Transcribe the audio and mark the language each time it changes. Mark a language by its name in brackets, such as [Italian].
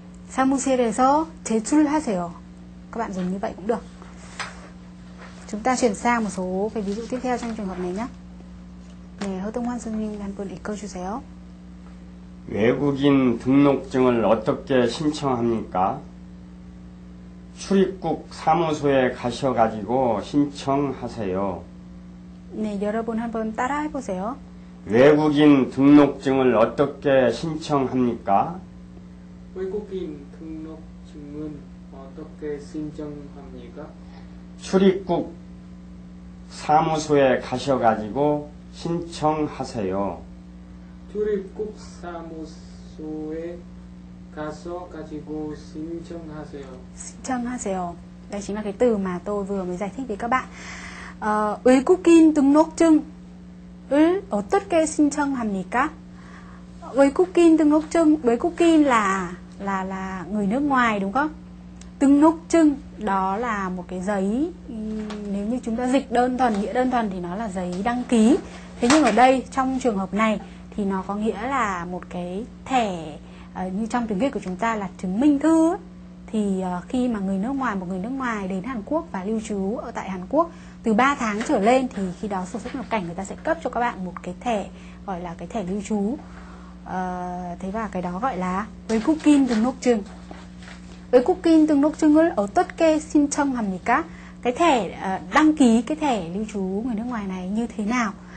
[Korean] Samusere서 제출하세요. [Vietnamese] Các bạn dùng như vậy cũng được. Chúng ta chuyển sang một số cái ví dụ tiếp theo trong trường hợp này nhé. Nghe hơi tông hoan sinh viên đang quên ý câu chú xéo. [Korean] 외국인 등록증을 어떻게 신청합니까? 출입국 사무소에 가셔가지고 신청하세요. 네, 여러분 한번 따라해보세요. 외국인 등록증을 어떻게 신청합니까? 외국인 등록증은 어떻게 신청합니까? 출입국 사무소에 가셔가지고 신청하세요. 출입국 사무소에 가서 가지고 신청하세요. 신청하세요. [Vietnamese] Đây chính là cái từ mà tôi vừa mới giải thích với các bạn. [Korean] 외국인 등록증을 어떻게 신청합니까? [Vietnamese] 외국인 등록증, 외국인 là người nước ngoài đúng không? 등록증 đó là một cái giấy, nếu như chúng ta dịch đơn thuần, nghĩa đơn thuần thì nó là giấy đăng ký. Thế nhưng ở đây trong trường hợp này thì nó có nghĩa là một cái thẻ, như trong tiếng Việt của chúng ta là chứng minh thư. Thì khi mà một người nước ngoài đến Hàn Quốc và lưu trú ở tại Hàn Quốc từ 3 tháng trở lên, thì khi đó sổ xuất nhập cảnh người ta sẽ cấp cho các bạn một cái thẻ, gọi là cái thẻ lưu trú. Thế và cái đó gọi là 외국인 등록증. [Korean] 외국인 등록증을 어떻게 신청합니까? [Vietnamese] Cái thẻ đăng ký cái thẻ lưu trú người nước ngoài này như thế nào?